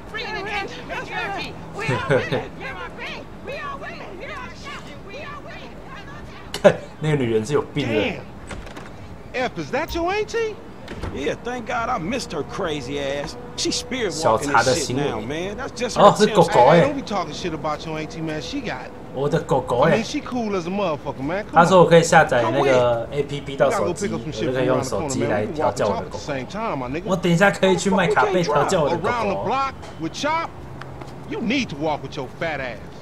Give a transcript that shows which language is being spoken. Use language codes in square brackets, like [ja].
[en] Free in the hands of patriarchy. We are women. You're our king. We are women. You're our captain. We are women. [zh] 看，那个女人是有病的。 [en] F, is that your auntie? Yeah, thank God I missed her crazy ass. She's spirit walking this shit now, man. That's just her. [zh] 哦，是狗狗哎。 [en] Don't be talking shit about your auntie, man. She got. [zh] 我的狗狗哎。 [en] I mean, she cool as a motherfucker, man. [zh] 他说我可以下载那个 APP 到手机，我就可以用手机来调教我的狗。我等一下可以去麦卡贝调教我的狗狗。 [en] You need to walk with your fat ass.